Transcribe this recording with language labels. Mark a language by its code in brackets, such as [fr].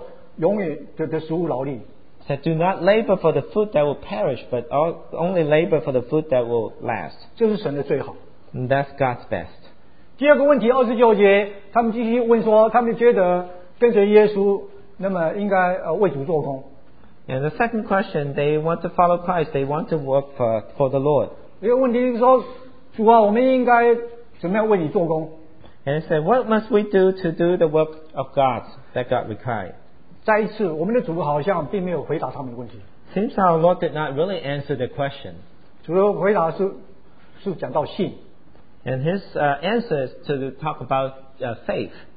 [zh] 他说：“我你们不要为必坏的食物劳力，要为那存到永远的食物劳力。” [en] He said, "Do not labor for the food that will perish, but only labor for the food that will last." [zh] 这是神的最好。 [en] And that's God's best. [zh] 第二个问题，29节，他们继续问说，他们觉得跟随耶稣，那么应该为主做工。 [en] And the second question, they want to follow Christ, they want to work for the Lord. [zh] 一个问题是说，主啊，我们应该怎么样为你做工？ [en] And they said, what must we do to do the work of God that God required? [zh] 再一次，我们的主好像并没有回答他们的问题。 [en] Seems our Lord did not really answer the question. [zh] 主的回答是讲到信。 [en] And his answer is to talk about faith.